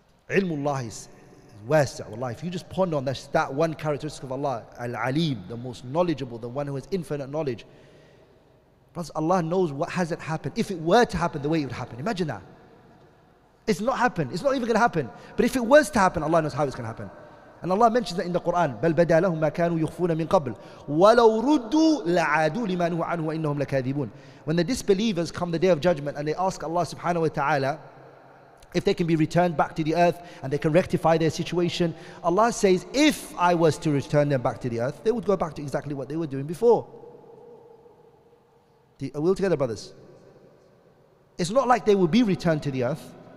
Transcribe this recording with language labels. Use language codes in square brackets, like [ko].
[en] Ilmullah is wasi', wallahi. If you just ponder on that one characteristic of Allah, al-alim, the most knowledgeable, the one who has infinite knowledge. Brothers, Allah knows what hasn't happened. If it were to happen the way it would happen, imagine that. It's not happened. It's not even going to happen. But if it was to happen, Allah knows how it's going to happen. And Allah mentions that in the Quran, [ar] بَلْ بَدَى لَهُمْ مَا كَانُوا يُخْفُونَ مِنْ قَبْلِ وَلَوْ رُدُّوا لَعَادُوا لِمَا نُهُوا عَنْهُ وَإِنَّهُمْ لَكَاذِبُونَ. [en] When the disbelievers come the day of judgment and they ask Allah subhanahu wa ta'ala if they can be returned back to the earth and they can rectify their situation, Allah says, if I was to return them back to the earth, they would go back to exactly what they were doing before. Are we all together, brothers? It's not like they will be returned to the earth.